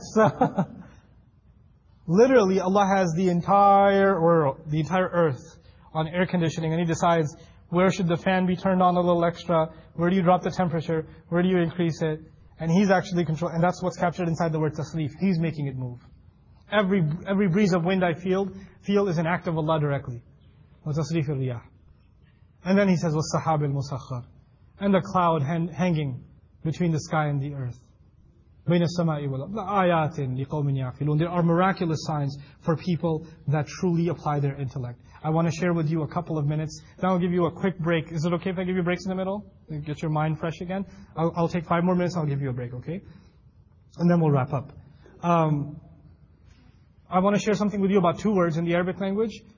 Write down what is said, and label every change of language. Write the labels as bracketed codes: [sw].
[en] So, literally, Allah has the entire world, the entire earth, on air conditioning, and He decides, where should the fan be turned on a little extra, where do you drop the temperature, where do you increase it, and He's actually controlling, and that's what's captured inside the word tasleef, He's making it move. Every breeze of wind I feel is an act of Allah directly. [ar] وَتَصْرِيفِ الرِّيَاحِ. [en] And then He says, [ar] وَالسَّحَابِ الْمُسَخَّرِ. [en] And the cloud hanging between the sky and the earth. [ar] بين السماء والأرض آيات لقوم يعقلون. [en] There are miraculous signs for people that truly apply their intellect. I want to share with you a couple of minutes. Then I'll give you a quick break. Is it okay if I give you breaks in the middle? Get your mind fresh again. I'll take 5 more minutes. I'll give you a break, okay? And then we'll wrap up. I want to share something with you about two words in the Arabic language.